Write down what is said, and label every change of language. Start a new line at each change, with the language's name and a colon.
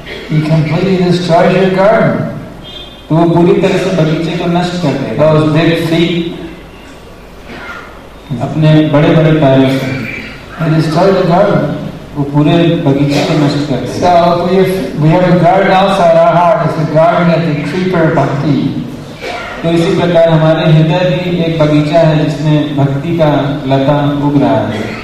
English: you completely destroy your garden.
Hindi: तो वो पूरी तरह से बगीचे को नष्ट कर दे.
English: Those big feet,
Hindi: अपने बड़े बड़े पैरों से,
English: and destroy the garden.
Hindi: वो पूरे बगीचे को नष्ट कर दे.
English: So if we have a garden outside our heart, it's the garden of the creeper bhakti.
Hindi: तो इसी प्रकार हमारे हृदय भी एक बगीचा है जिसमें भक्ति का लता उग रहा है.